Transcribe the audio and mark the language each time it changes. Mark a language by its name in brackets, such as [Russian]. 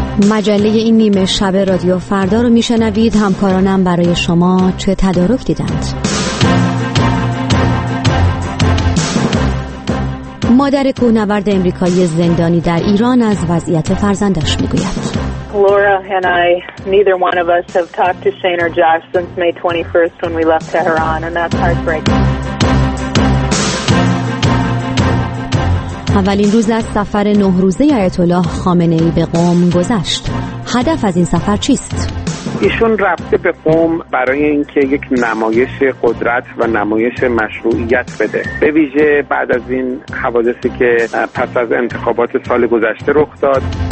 [Persian] مجله این نیمه شب رادیو فردا رو میشنوید. همکارانم برای شما چه تدارک دیدند؟ مادر کوهنورد امریکایی زندانی در ایران از وضعیت فرزندش میگوید. [English] Laura and I, neither one of us have talked to Shane or Josh since May 21st when we left Tehran, and that's heartbreaking. [Persian] اولین روز از سفر 9 روزه آیت الله خامنه ای به قم گذشت. هدف از این سفر چیست؟ ایشون رفته به قم برای اینکه یک نمایش قدرت و نمایش مشروعیت بده، به ویژه بعد از این حوادثی که پس از انتخابات سال گذشته رخ داد.